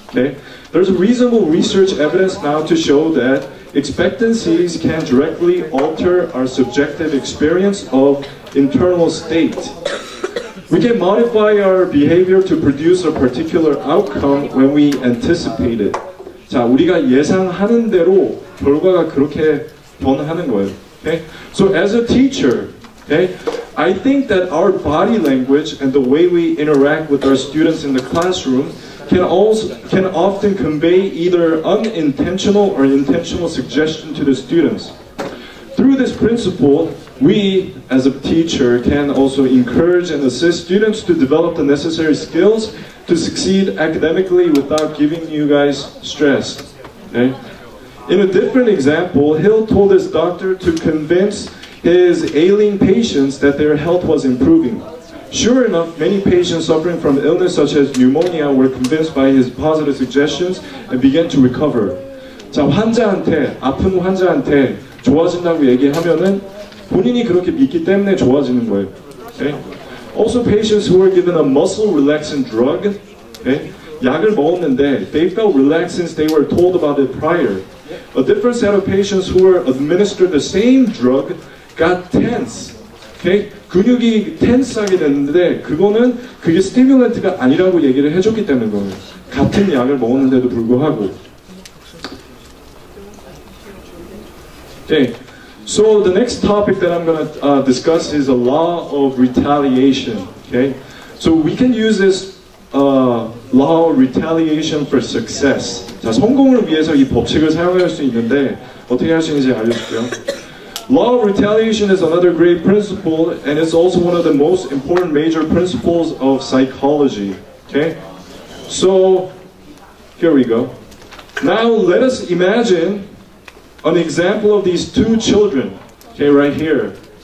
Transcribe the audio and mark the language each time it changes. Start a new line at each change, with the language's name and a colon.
English: Okay, there's reasonable research evidence now to show that expectancies can directly alter our subjective experience of internal state. We can modify our behavior to produce a particular outcome when we anticipate it.
Korean: 자, 우리가 예상하는 대로 결과가 그렇게 변하는 거예요.
English: Okay? So as a teacher, okay, I think that our body language and the way we interact with our students in the classroom can often convey either unintentional or intentional suggestion to the students. Through this principle, we, as a teacher, can also encourage and assist students to develop the necessary skills to succeed academically without giving you guys stress. Okay? In a different example, Hill told his doctor to convince his ailing patients that their health was improving. Sure enough, many patients suffering from illness such as pneumonia were convinced by his positive suggestions and began to recover.
Korean: 자, 환자한테, 아픈 환자한테 좋아진다고 얘기하면은 본인이 그렇게 믿기 때문에 좋아지는 거예요.
English: Okay? Also, patients who were given a muscle relaxant drug, okay?
Korean: 약을 먹었는데
English: they felt relaxed since they were told about it prior. A different set of patients who were administered the same drug got tense. Okay?
Korean: 근육이 텐스하게 됐는데 그거는 그게 스티뮬런트가 아니라고 얘기를 해줬기 때문에 그거예요. 같은 약을 먹었는데도 불구하고.
English: Okay, so the next topic that I'm going to discuss is the law of retaliation. Okay, so we can use this law of retaliation for success.
Korean: 자, 성공을 위해서 이 법칙을 사용할 수 있는데 어떻게 할 수 있는지 알려줄게요.
English: Law of retaliation is another great principle, and it's also one of the most important major principles of psychology, okay? So, here we go. Now, let us imagine an example of these two children, okay, right here.